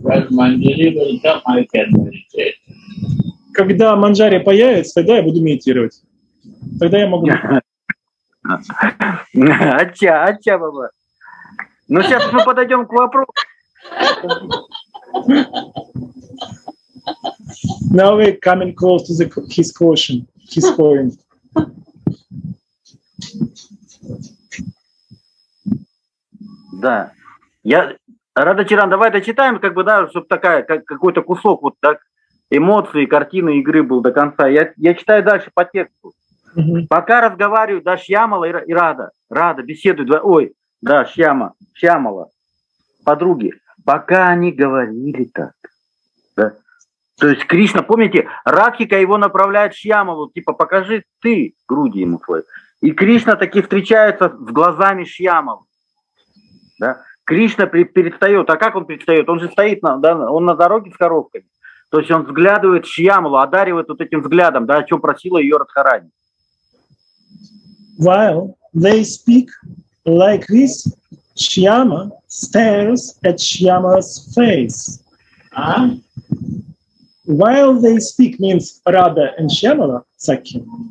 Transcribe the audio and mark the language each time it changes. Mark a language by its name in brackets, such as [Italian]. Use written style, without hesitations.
[English] When Manjari will come, I can meditate. [Russian] Когда Манджари появится, тогда я буду медитировать. Тогда я могу. [Hindi] Ача, ача, баба. [Russian] Ну сейчас мы подойдем к вопросу. [English] Now we're coming close to the his question. His point. [Russian] Да. Я. Радачаран, давай дочитаем, как бы, да, чтобы такая, как, какой-то кусок вот так эмоций, картины игры был до конца. Я читаю дальше по тексту. Mm-hmm. Пока разговаривают, да, Шьямала и Рада. Рада беседуют. Ой, да, Шьямала. Подруги. Пока они говорили так. Да. То есть Кришна, помните, Радхика его направляет Шьямалу, типа, покажи ты груди ему твои. И Кришна таки встречается с глазами Шьямалы. Да. Кришна перестает, а как он перестает? Он же стоит, да, он на дороге с коробками. То есть он взглядывает Шьямалу, одаривает вот этим взглядом, да, о чем просила ее Радхарани. [English] While they speak like this, Shyama stares at Shyama's face. Uh-huh. While they speak means Radha and Shyamala, Sakhi.